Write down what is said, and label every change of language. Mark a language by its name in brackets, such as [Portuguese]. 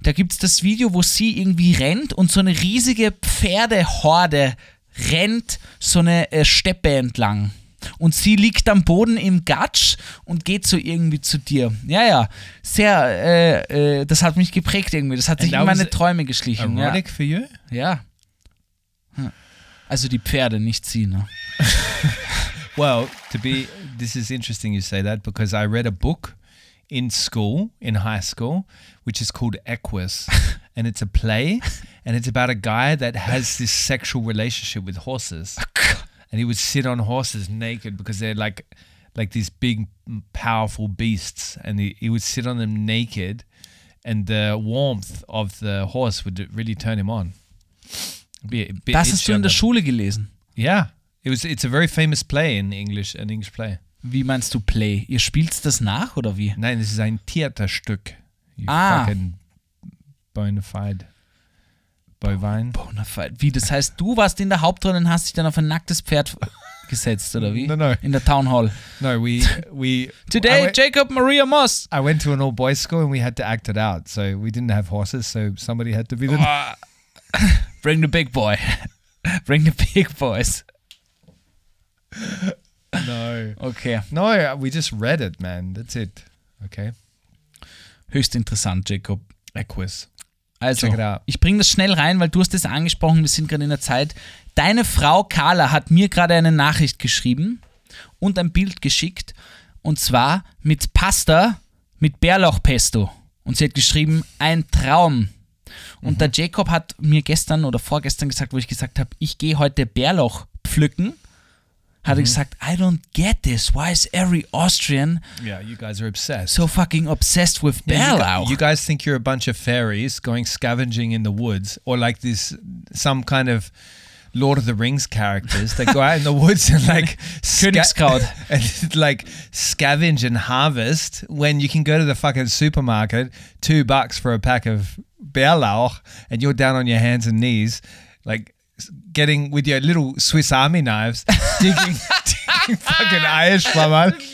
[German] Da gibt es das Video, wo sie irgendwie rennt und so eine riesige Pferdehorde rennt so eine Steppe entlang. Und sie liegt am Boden im Gatsch und geht so irgendwie zu dir. Ja, ja. Sehr, das hat mich geprägt irgendwie. Das hat sich in meine Träume geschlichen. [English] Erotic [German] ja. [English] for you? [German] Ja. Also die Pferde, nicht sie, ne? [English] Well, to be, this is interesting you say that, because I read a book in school, in high school, which is called Equus. And it's a play, and it's about a guy that has this sexual relationship with horses. And he would sit on horses naked because they're like these big, powerful beasts. And he would sit on them naked and the warmth of the horse would really turn him on. [German] Bit das hast du in der Schule gelesen? [English] Yeah. It's a very famous play in English, an English play. [German] Wie meinst du play? Ihr spielt das nach oder wie? Nein, es ist ein Theaterstück. Ah. [English] Fucking bona fide. Bovine. Bonafide. [German] Wie, das heißt, du warst in der Hauptrolle und hast dich dann auf ein nacktes Pferd gesetzt, oder wie? [English] No, no. [German] In der Town Hall. [English] No, we Today, went, Jacob Maria Moss. I went to an all-boys school and we had to act it out. So we didn't have horses, so somebody had to be the... Bring the big boy. Bring the big boys. No. Okay. No, we just read it, man. That's it. Okay. [German] Höchst interessant, Jacob. Equus. Also, ich bringe das schnell rein, weil du hast es angesprochen, wir sind gerade in der Zeit. Deine Frau Carla hat mir gerade eine Nachricht geschrieben und ein Bild geschickt und zwar mit Pasta mit Bärlauchpesto und sie hat geschrieben, ein Traum. Und der Jacob hat mir gestern oder vorgestern gesagt, wo ich gesagt habe, ich gehe heute Bärlauch pflücken. Hat er gesagt, [English] I don't get this. Why is every Austrian yeah, you guys are obsessed. So fucking obsessed with Bärlauch? You guys think you're a bunch of fairies going scavenging in the woods or like this some kind of Lord of the Rings characters that go out in the woods and like [German] Königskraut [English] and like scavenge and harvest when you can go to the fucking supermarket, $2 for a pack of Bärlauch and you're down on your hands and knees like getting with your little Swiss Army knives, digging fucking Eierschlammerl.